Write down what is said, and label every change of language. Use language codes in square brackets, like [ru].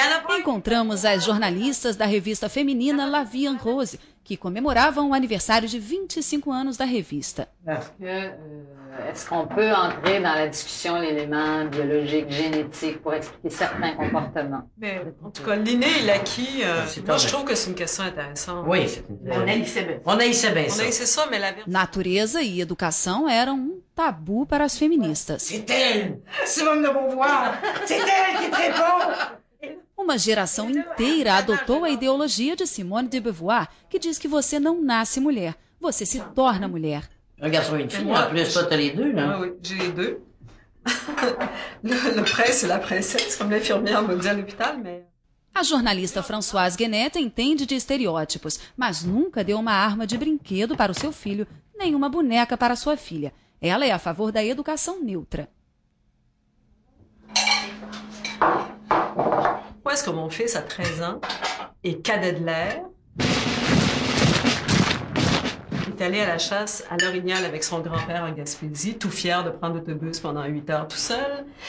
[pt] Encontramos as jornalistas da revista feminina La Vie en Rose, que comemoravam o aniversário de 25 anos da revista. [fr] Est-ce qu'on peut entrer dans la discussion l'élément biologique, génétique, pour expliquer certains comportements? Mais, en tout cas, l'inné et l'acquis, moi, je trouve que c'est une question intéressante. Oui, on a essayé ça, mais la vérité... [pt] Natureza e educação eram um tabu para as feministas. [fr] C'est elle, Simone de Beauvoir, c'est elle qui te répond. [pt] Uma geração inteira adotou a ideologia de Simone de Beauvoir, que diz que você não nasce mulher, você se torna mulher. [fr] Un garçon et une fille, en plus, toi, t'as les deux, non? Oui, j'ai les deux. Le prince et la princesse, comme l'infirmière me dit à l'hôpital, mais... [pt] A jornalista Françoise Guenette entende de estereótipos, mas nunca deu uma arma de brinquedo para o seu filho, nem uma boneca para sua filha. Ela é a favor da educação neutra. [fr] Pourquoi est-ce que mon fils a 13 ans et cadet de l'air, est allé à la chasse à l'orignal avec son grand-père en Gaspésie, tout fier de prendre l'autobus pendant 8 heures tout seul.